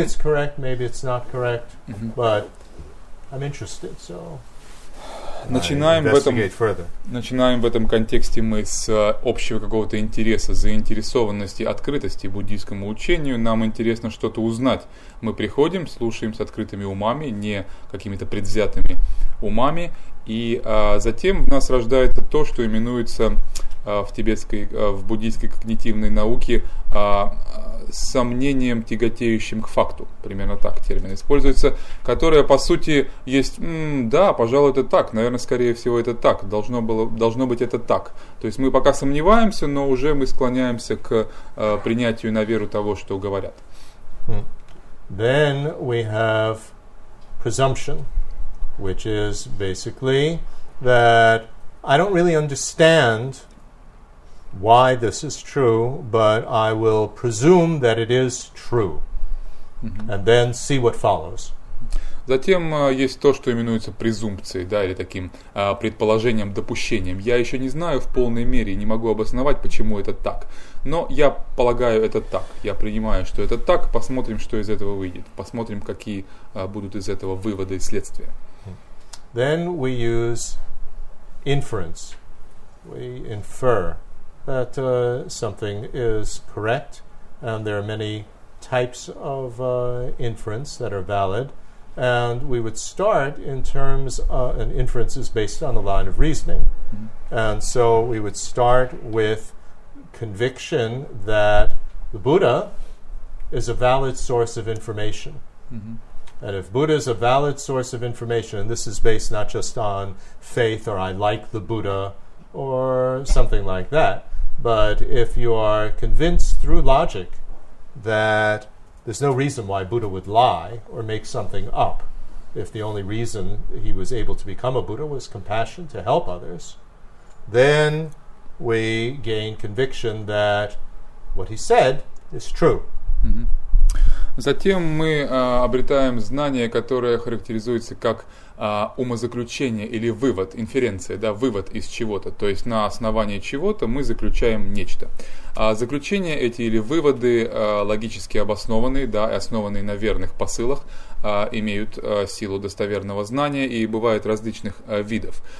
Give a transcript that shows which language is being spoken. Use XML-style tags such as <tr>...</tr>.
<en>Maybe it's correct, maybe it's not correct, but I'm interested, so.</en> <ru>Начинаем в этом. Начинаем в этом контексте мы с общего какого-то интереса, заинтересованности, открытости буддийскому учению. Нам интересно что-то узнать. Мы приходим, слушаем с открытыми умами, не какими-то предвзятыми умами, и затем в нас рождается то, что именуется в тибетской, в буддийской когнитивной науке сомнением, тяготеющим к факту. Примерно так термин используется, которое, по сути, есть да, пожалуй, это так, наверное, скорее всего, это так, должно быть это так. То есть мы пока сомневаемся, но уже мы склоняемся к принятию на веру того, что говорят.</ru> <en>Then we have presumption, which is basically that I don't really understand why this is true, but I will presume that it is true, and then see what follows.</en> <ru>Затем есть то, что именуется презумпцией, да, или таким предположением, допущением. Я еще не знаю в полной мере и не могу обосновать, почему это так. Но я полагаю, это так. Я принимаю, что это так. Посмотрим, что из этого выйдет. Посмотрим, какие будут из этого выводы и следствия.</ru> <en>Then we use inference. We infer that something is correct, and there are many types of inference that are valid, and we would start in terms of, and inference is based on a line of reasoning, and so we would start with conviction that the Buddha is a valid source of information, and if Buddha is a valid source of information, and this is based not just on faith or I like the Buddha or something like that, but if you are convinced through logic that there's no reason why Buddha would lie or make something up, if the only reason he was able to become a Buddha was compassion to help others, then we gain conviction that what he said is true.</en> <ru>Затем мы обретаем знание, которое характеризуется как умозаключение или вывод, инференция, да, вывод из чего-то, то есть на основании чего-то мы заключаем нечто. А заключения эти или выводы логически обоснованные, да, и основанные на верных посылах, имеют силу достоверного знания и бывают различных видов.</ru>